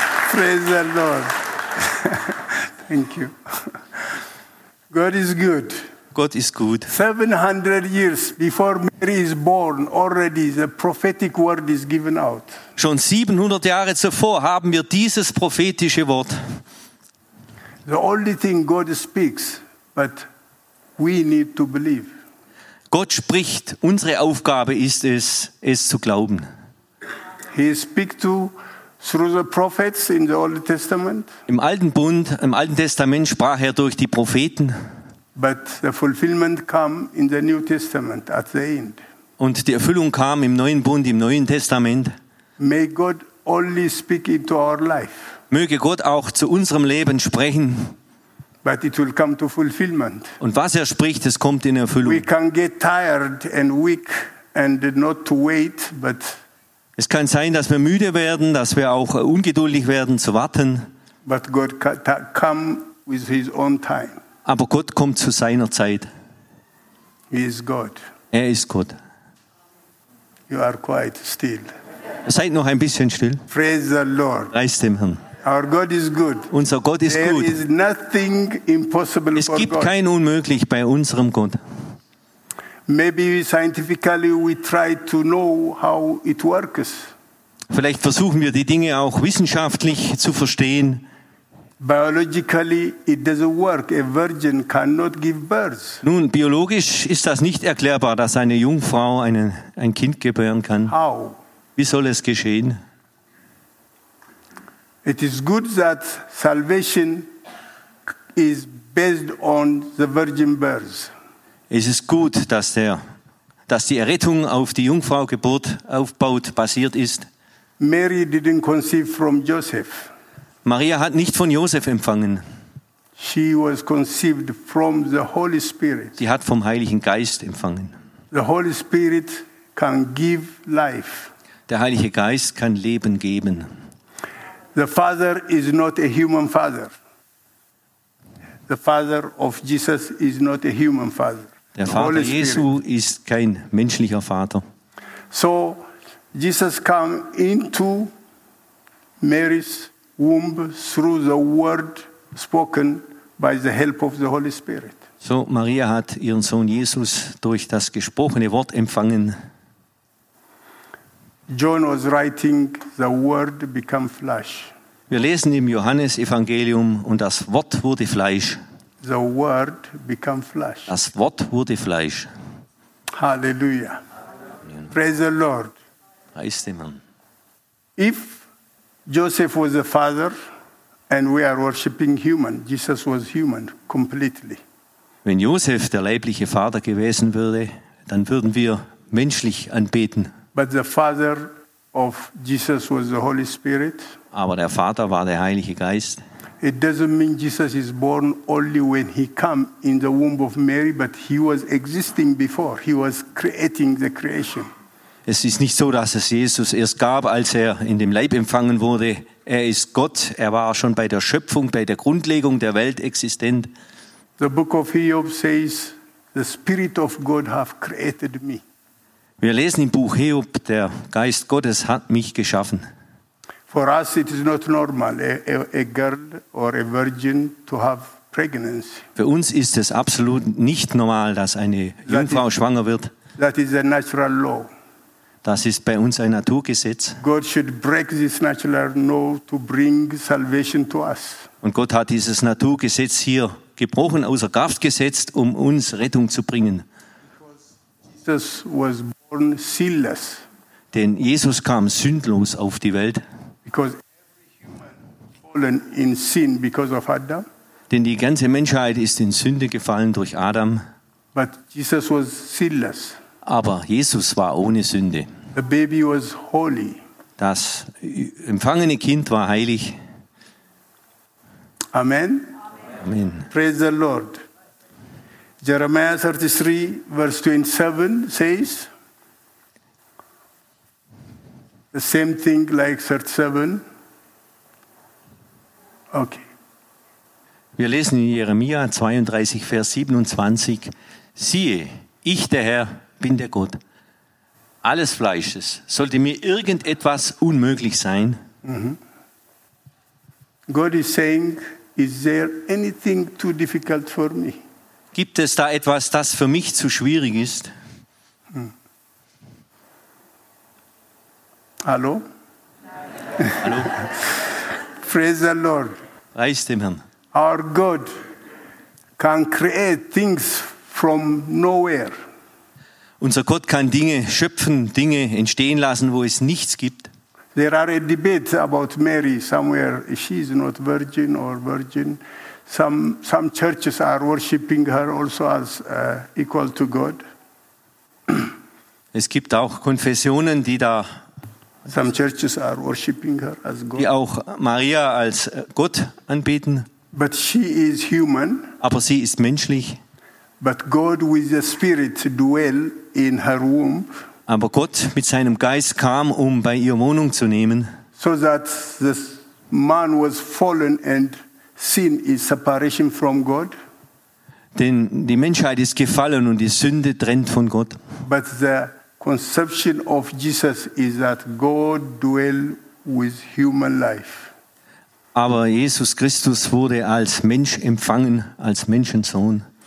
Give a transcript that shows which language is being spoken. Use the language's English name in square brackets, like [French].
[English] Praise the Lord. Thank you. God is good. [German] Gott ist gut. [English] 700 years before Mary is born, already the prophetic word is given out. [German] Schon 700 Jahre zuvor haben wir dieses prophetische Wort. [English] The only thing God speaks, but we need to believe. [German] Gott spricht, unsere Aufgabe ist es, es zu glauben. [English] He speaks to through the prophets in the Old Testament. [German] Im Alten Bund, im Alten Testament sprach er durch die Propheten. [English] But the fulfillment came in the New Testament at the end. [German] Und die Erfüllung kam im Neuen Bund, im Neuen Testament. [English] May God only speak into our life. [German] Möge Gott auch zu unserem Leben sprechen. [English] But it will come to fulfillment. [German] Und was er spricht, es kommt in Erfüllung. [English] We can get tired and weak and not to wait, but [German] es kann sein, dass wir müde werden, dass wir auch ungeduldig werden zu warten. [English] But God come with his own time. [German] Aber Gott kommt zu seiner Zeit. [English] He is God. [German] Er ist Gott. [English] You are quiet still. [German] Seid noch ein bisschen still. [English] Praise the Lord. [German] Preist dem Herrn. [English] Our God is good. [German] Unser Gott ist [English] There [German] gut. [English] Is nothing impossible [German] es gibt God. Kein Unmöglich bei unserem Gott. [English] Maybe scientifically we try to know how it works. [German] Vielleicht versuchen wir die Dinge auch wissenschaftlich zu verstehen. [English] Biologically it doesn't work. A virgin cannot give birth. [German] Nun, biologisch ist das nicht erklärbar, dass eine Jungfrau ein Kind gebären kann. [English] How? [German] Wie soll es geschehen? [English] It is good that salvation is based on the virgin birth. [German] Es ist gut, dass der dass die Errettung auf die Jungfraugeburt aufbaut, basiert ist. [English] Mary didn't conceive from Joseph. [German] Maria hat nicht von Josef empfangen. [English] She was conceived from the Holy Spirit. [German] Sie hat vom Heiligen Geist empfangen. [English] The Holy Spirit can give life. [German] Der Heilige Geist kann Leben geben. [English] The Father is not a human father. The Father of Jesus is not a human father. [German] Der Vater Jesu ist kein menschlicher Vater. [English] So Jesus came into Mary's womb through the word spoken by the help of the Holy Spirit. [German] So Maria hat ihren Sohn Jesus durch das gesprochene Wort empfangen. [English] John was writing, the word became flesh. [German] Wir lesen im Johannesevangelium und das Wort wurde Fleisch. [English] The word became flesh. [German] Das Wort wurde Fleisch. [English] Hallelujah. Praise the Lord. [German] Preist den Herrn. [English] If Joseph was the father and we are worshiping human, Jesus was human completely. [German] Wenn Joseph der leibliche Vater gewesen würde, dann würden wir menschlich anbeten. [English] But the Father of Jesus was the Holy Spirit. [German] Aber der Vater war der Heilige Geist. [English] It doesn't mean Jesus is born only when he came in the womb of Mary, but he was existing before. He was creating the creation. [German] Es ist nicht so, dass es Jesus erst gab, als er in dem Leib empfangen wurde. Er ist Gott. Er war schon bei der Schöpfung, bei der Grundlegung der Welt existent. [English] The book of Hiob says, "The Spirit of God hath created me." [German] Wir lesen im Buch Hiob, der Geist Gottes hat mich geschaffen. [English] For us it is not normal, a girl or a virgin to have pregnancy. [German] Für uns ist es absolut nicht normal, dass eine Jungfrau schwanger wird. [English] That is a natural law. [German] Das ist bei uns ein Naturgesetz. [English] God should break this natural law to bring salvation to us. [German] Und Gott hat dieses Naturgesetz hier gebrochen, außer Kraft gesetzt, um uns Rettung zu bringen. [English] Jesus was born sinless. [German] Denn Jesus kam sündlos auf die Welt. [English] Because every human fallen in sin because of Adam. [German] Denn die ganze Menschheit ist in Sünde gefallen durch Adam. [English] But Jesus was sinless. [German] Aber Jesus war ohne Sünde. [English] The baby was holy. [German] Das empfangene Kind war heilig. Amen. Amen. [English] Praise the Lord. Jeremiah 33, verse 27 says the same thing like 37. Okay. [German] Wir lesen in Jeremia 32, Vers 27. Siehe, ich, der Herr, bin der Gott alles Fleisches. Sollte mir irgendetwas unmöglich sein? Mm-hmm. [English] God is saying, is there anything too difficult for me? [German] Gibt es da etwas, das für mich zu schwierig ist? Hallo? Hallo? [English] Praise the Lord. [German] Preist dem Herrn. [English] Our God can create things from nowhere. [German] Unser Gott kann Dinge schöpfen, Dinge entstehen lassen, wo es nichts gibt. [English] There are a debate about Mary somewhere. She is not virgin or virgin. Some churches are worshiping her also as equal to God. [German] Es gibt auch Konfessionen, die da [English] some churches are worshiping her as God. [German] Die auch Maria als Gott anbeten. [English] But she is human. [German] Aber sie ist menschlich. [English] But God with the Spirit dwell in her womb. [German] Aber Gott mit seinem Geist kam, um bei ihr Wohnung zu nehmen. [English] So that the man was fallen and sin is separation from God. [German] Denn die Menschheit ist gefallen und die Sünde trennt von Gott. [English] But the conception of Jesus is that God dwell with human life. [German] Aber Jesus Christus wurde als Mensch empfangen, als Menschensohn.